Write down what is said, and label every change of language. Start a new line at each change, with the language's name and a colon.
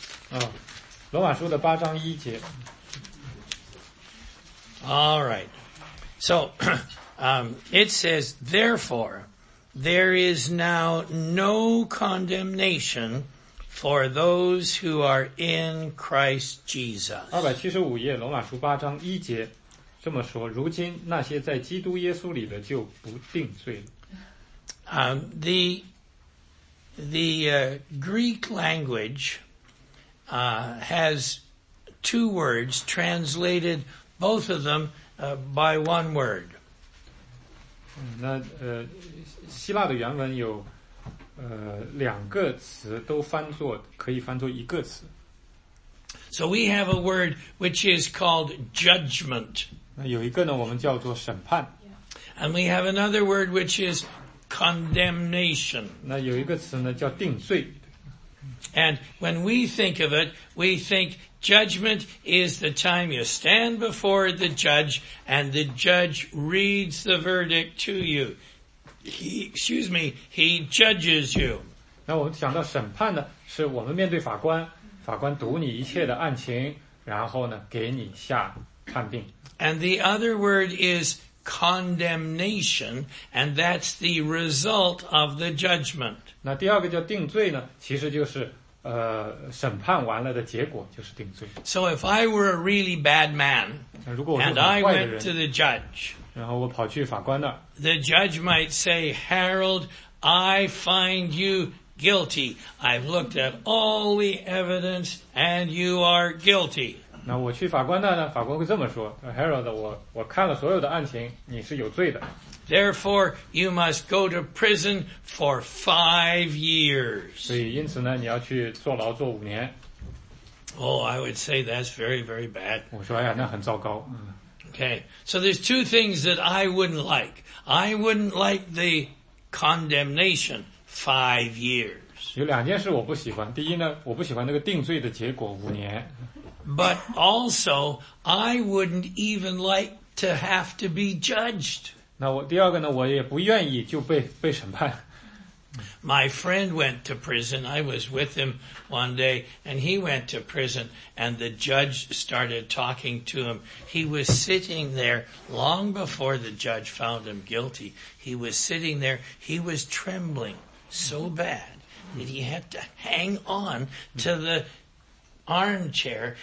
Chinese: 哦，罗马书的八章一节。
English: All right. So, it says, therefore, there is now no condemnation for those who are in Christ Jesus.
Chinese: 275页，罗马书八章一节，这么说，如今那些在基督耶稣里的就不定罪了。
English: The Greek language has two words translated, both of them by one word.
Chinese: 那希腊的原文有两个词都翻作可以翻作一个词。
English: So we have a word which is called judgment.
Chinese: 那有一个呢，我们叫做审判。
English: And we have another word which is condemnation.
Chinese: 那有一个词呢叫定罪。
English: And when we think of it, we think judgment is the time you stand before the judge and the judge reads the verdict to you. He judges you.
Chinese: 那我们想到审判呢，是我们面对法官，法官读你一切的案情，然后呢给你下判定。
English: And the other word is condemnation, and that's the result of the judgment.
Chinese: 那第二个叫定罪呢，其实就是审判完了的结果就是定罪。
English: So if I were a really bad man,
Chinese: 如果我是很坏的人,
English: and I went to the judge,
Chinese: 然后我跑去法官那儿,
English: the judge might say, Harold, I find you guilty. I've looked at all the evidence, and you are guilty.
Chinese: 那我去法官那呢，法官会这么说 ,Harold, 我看了所有的案情，你是有罪的。
English: Therefore, you must go to prison for 5 years.
Chinese: 所以因此呢，你要去坐牢坐五年。
English: Oh, I would say that's very, very bad.
Chinese: 我说哎呀，那很糟糕。
English: Okay, so there's two things that I wouldn't like. I wouldn't like the condemnation, 5 years.
Chinese: 有两件事我不喜欢。第一呢，我不喜欢那个定罪的结果五年。
English: But also, I wouldn't even like to have to be judged.
Chinese: 那我第二个呢，我也不愿意就被审判。
English: My friend went to prison. I was with him one day, and he went to prison, and the judge started talking to him. He was sitting there long before the judge found him guilty. He was sitting there. He was trembling so bad that he had to hang on to the armchair.